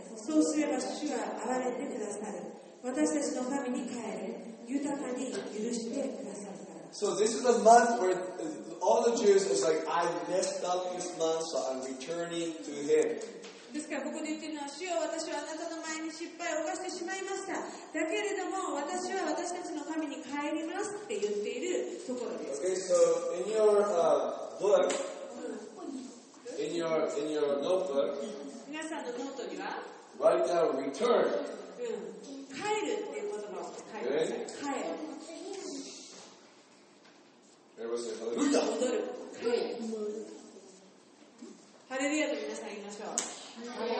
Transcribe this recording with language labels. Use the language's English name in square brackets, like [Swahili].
[Japanese] そうすれば主は憐れてくださる。私たちの神に帰れ。豊かに許してくださるから。 [English] So this is a month where all the Jews is like, I messed up this month, so I'm returning to him. [Japanese] ですからここで言っているのは、主よ、私はあなたの前に失敗を犯してしまいました。だけれども、私は私たちの神に帰りますって言っているところです。 [English] Okay, so in your book, in your notebook. [Japanese] 皆さんのノートには [English] Write down return. [Japanese] 帰るっていう言葉を書いてください。 [English] Okay. [Japanese] 帰る。戻る。ハレルヤと皆さん言いましょう。